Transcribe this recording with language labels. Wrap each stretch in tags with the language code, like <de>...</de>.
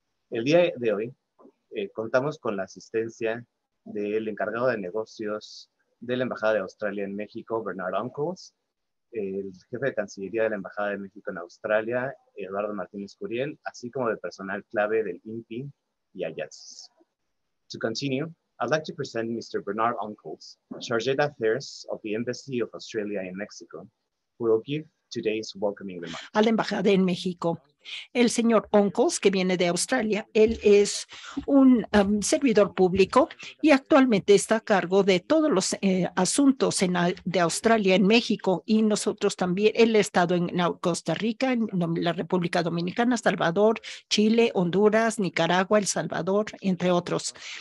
<es>El día de hoy, contamos con la asistencia del encargado de negocios de la Embajada de Australia en México, Bernard Uncles, el jefe de Cancillería de la Embajada de México en Australia, Eduardo Martínez Curiel, así como del personal clave del IMPI y AIATSIS.</es> <en>To continue, I'd like to present Mr. Bernard Uncles, Chargé d'Affaires of the Embassy of Australia in Mexico, who will give today's welcoming remarks.</en> <es>A la embajada en México. El señor Uncles, que viene de Australia, él es un servidor público y actualmente está a cargo de todos los asuntos de Australia en México y nosotros también. Él ha estado en Costa Rica, en la República Dominicana, Salvador, Chile, Honduras, Nicaragua, El Salvador, entre otros.</es>